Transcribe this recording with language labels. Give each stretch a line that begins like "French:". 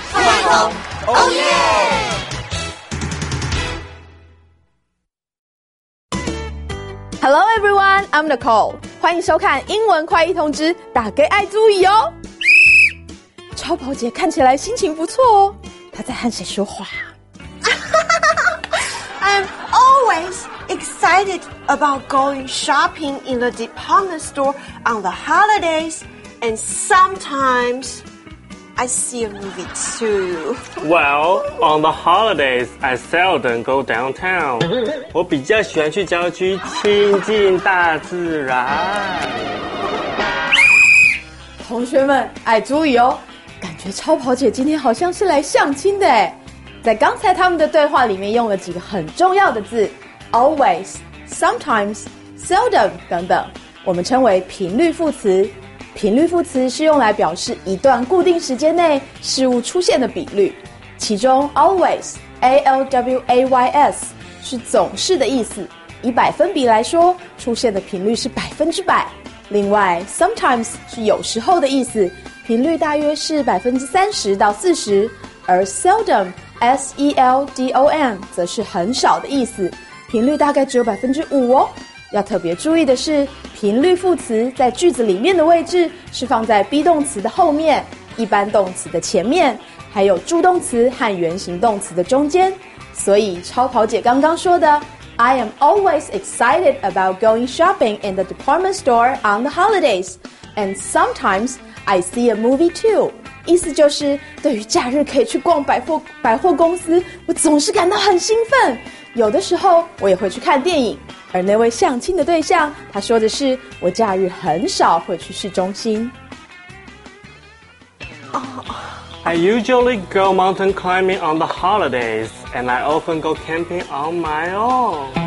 Chinese: 快通 ，
English: Oh yeah！ Hello everyone, I'm Nicole.
Chinese: 欢迎收看英文快译通之打给爱注意哦。超跑姐看起来心情不错哦，她在和谁说话？
English: I'm always excited about going shopping in the department store on the holidays, and sometimes I see a movie too. Well, on the holidays, I seldom go downtown.
Chinese: 我比较喜欢去郊区亲近大自然。同学们，哎，注意哦，感觉超跑姐今天好像是来相亲的哎。在刚才他们的对话里面用了几个很重要的字 always, sometimes, seldom 等等，我们称为频率副词。频率副词是用来表示一段固定时间内事物出现的比率，其中 always, A-L-W-A-Y-S 是总是的意思，以百分比来说出现的频率是百分之百。另外 sometimes 是有时候的意思，频率大约是30%-40%，而 seldom S-E-L-D-O-M 则是很少的意思，频率大概只有5%哦。要特别注意的是，频率副词在句子里面的位置是放在 be 动词的后面，一般动词的前面，还有助动词和原形动词的中间。所以超跑姐刚刚说的
English: I am always excited about going shopping in the department store on the holidays, and sometimes I see a movie too.
Chinese: 意思就是，对于假日可以去逛百货公司，我总是感到很兴奋。有的时候我也会去看电影。而那位相亲的对象，他说的是，我假日很少会去市中心。
English: I usually go mountain climbing on the holidays, and I often go camping on my own.